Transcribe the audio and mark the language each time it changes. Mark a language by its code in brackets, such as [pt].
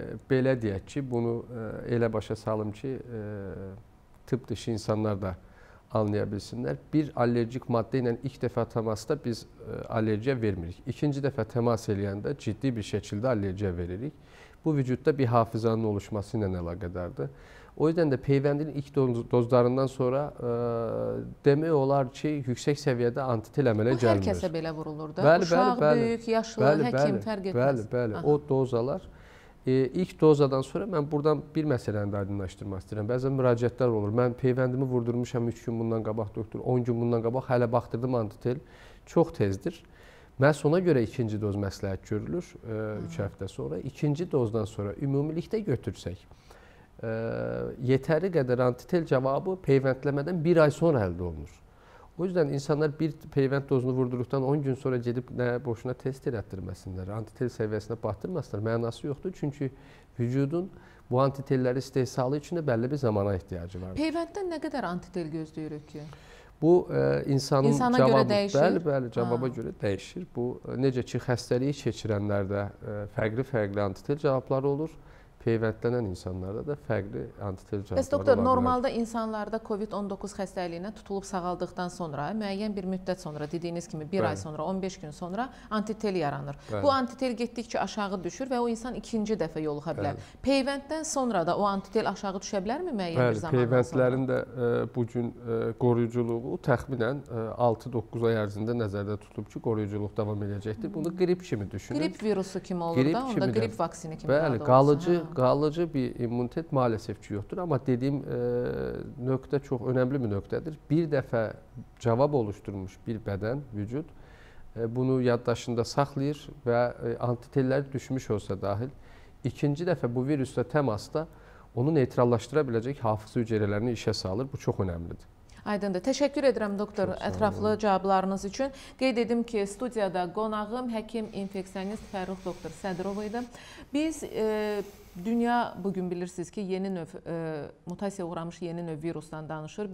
[az] Belə deyək ki, bunu elə başa salım ki, tıb dışı insanlar da anlaya bilsinler. Bir allergik madde ilə ilk dəfə təmasda biz allergiya vermirik. İkinci dəfə təmas eləyəndə ciddi bir şəkildə allergiya veririk. Bu vücudda bir hafızanın oluşması ilə əlaqədardır. O yüzden de peyvəndin ilk dozlarından sonra demək olar ki, yüksək səviyyədə antitel əmələ gəlmir. Bu herkəsə belə vurulur da. Bəli, uşaq, bəli, büyük, yaşlı, bəli, həkim, bəli, fərq etməz. Bəli, bəli. Aha. O dozalar. İlk dozadan sonra mən buradan bir məsələni də aydınlaşdırmaq istəyirəm. Bəzən müraciətlər olur. Mən peyvəndimi vurdurmuşam 3 gün bundan qabaq, doktor 10 gün bundan qabaq, hələ baxdırdım antitel. Çox tezdir. Məhz ona görə ikinci doz məsləhət görülür 3 həftə sonra. İkinci dozdan sonra ümumilikdə götürsək, yetəri qədər antitel cavabı peyvəndləmədən bir ay sonra əldə olunur. O yüzden insanlar bir peyvənd dozunu vurduruqdan 10 gün sonra gedib nə boşuna test etdirməsinlər, antitel səviyyəsinə batdırmasınlar, mənası yoxdur. [tr] Çünki vücudun bu antitelləri istehsalı için de belli bir zamana ihtiyacı var. [az] Peyvənddən nə qədər antitel gözləyirik ki? Bu insanın cavabı, bəli, cavaba görə dəyişir. Bu necə ki, xəstəliyi keçirənlərdə fərqli-fərqli antitel cavabları olur. Peyvəndlənən insanlarda da fərqli antitel cavabları var. Doktor, normalda insanlarda COVID-19 xəstəliyinə tutulub sağaldıqdan sonra, müəyyən bir müddət sonra, dediyiniz kimi bir ay sonra, 15 gün sonra antitel yaranır. Bəli. Bu antitel getdikcə aşağı düşür və o insan ikinci dəfə yoluxa bilər. Peyvənddən sonra da o antitel aşağı düşə bilərmi müəyyən bir zaman sonra? Peyvəndlərin də bugün qoruyuculuğu təxminən 6-9 ay ərzində nəzərdə tutulub ki, qoruyuculuq davam edəcəkdir. Bunu qrip kimi düşünün. Qrip virusu kimi olur da, onda qrip vaksini kimi qalıcı. [tr] Kalıcı bir immunitet maalesef ki yoktur. Ama dediğim nokta çok önemli bir noktadır. Bir defa cevap oluşturmuş bir beden, vücut bunu [az] yaddaşında saklayır [tr] ve antiteller düşmüş olsa dahil ikinci defa bu virüsle temasta onu nötrallaştırabilecek hafıza hücrelerini işe sağlar. Bu çok önemlidir. [az] Aydındır. Təşəkkür edirəm doktor ətraflı cavablarınız üçün. Qeyd edim ki, studiyada qonağım həkim infeksionist Fərrux doktor Sədirov idi. Biz dünya bugün bilirsiniz ki, yeni növ mutasiya uğramış yeni növ virusdan danışır.